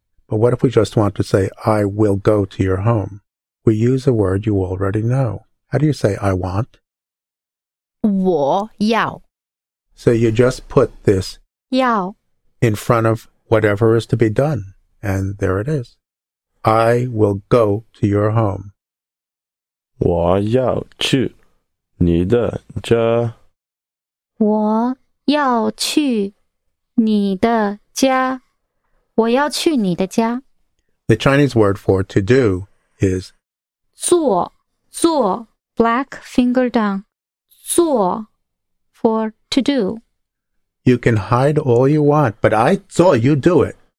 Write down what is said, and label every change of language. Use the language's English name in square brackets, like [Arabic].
[English] But what if we just want to say, I will go to your home? We use a word you already know. How do you say, I want? [Chinese] 我要 [English] So you just put this [Chinese] 要 [English] in front of whatever is to be done. And there it is. I will go to your home. [Chinese] 我要去你的家。我要去你的家。我要去你的家。 [English] The Chinese word for to do is 做, black finger down, 做, for to do. You can hide all you want, but I saw you do it.